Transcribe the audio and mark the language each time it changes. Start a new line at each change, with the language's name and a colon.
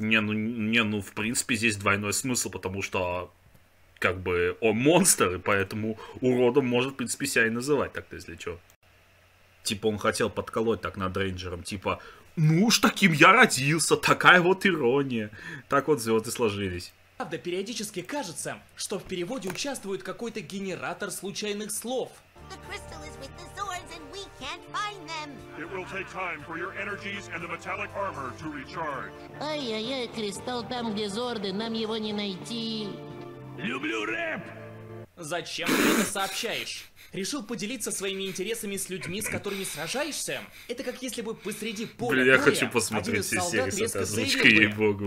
Russian: Не, ну, в принципе, здесь двойной смысл, потому что, как бы, он монстр, и поэтому уродом может, в принципе, себя и называть так-то, если чё. Типа, он хотел подколоть так над рейнджером, типа, ну уж таким я родился, такая вот ирония. Так вот звезды сложились. Правда, периодически кажется, что в переводе участвует какой-то генератор случайных слов.
English: The crystal is with the Zords, and we can't find them. It will take time for your energies and the metallic armor to recharge.
Russian: Ай-яй-яй, кристалл там, где Зорды, нам его не найти. Люблю рэп! Зачем ты это сообщаешь? Решил поделиться своими интересами с людьми, с которыми сражаешься? Это как если бы посреди поля боя... Блин, я хочу посмотреть все серии с этой озвучкой, ей-богу.